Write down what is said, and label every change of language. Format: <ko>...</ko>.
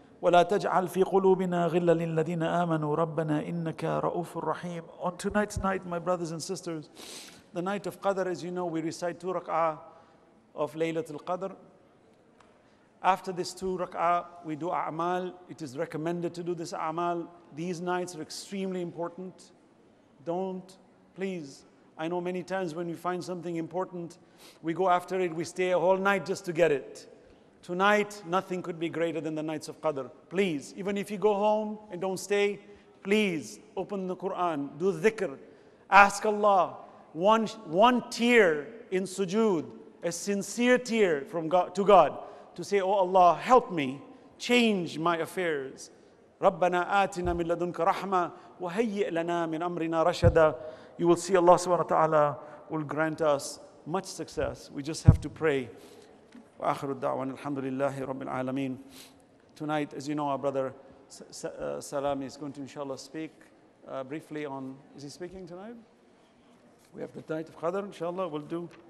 <ar>ولا تجعل في قلوبنا غلا للذين آمنوا ربنا إنك رؤوف رحيم.</ar> <en>On tonight's night, my brothers and sisters, the night of Qadr, as you know, we recite 2 rak'ah of Laylatul Qadr. After this 2 rak'ah, we do a'mal. It is recommended to do this a'mal. These nights are extremely important. Don't, please. I know many times when we find something important, we go after it, we stay a whole night just to get it. Tonight, nothing could be greater than the nights of Qadr. Please, even if you go home and don't stay, please open the Quran, do dhikr, ask Allah. One tear in sujood, a sincere tear from God, to God, to say, oh Allah, help me, change my affairs.</en> <ar>رَبَّنَا آتِنَا مِنْ لَدُنْكَ رَحْمَةً وَهَيِّئْ لَنَا مِنْ أَمْرِنَا رَشَدًا.</ar> <en>You will see Allah subhanahu wa ta'ala will grant us much success. We just have to pray.</en> <ar>وآخر الدعوة الحمد لله رب العالمين.</ar> <en>Tonight, as you know, our brother Salami is going to, inshallah, speak briefly on. Is he speaking tonight? We have the night of Qadr, inshallah, we'll do.</en>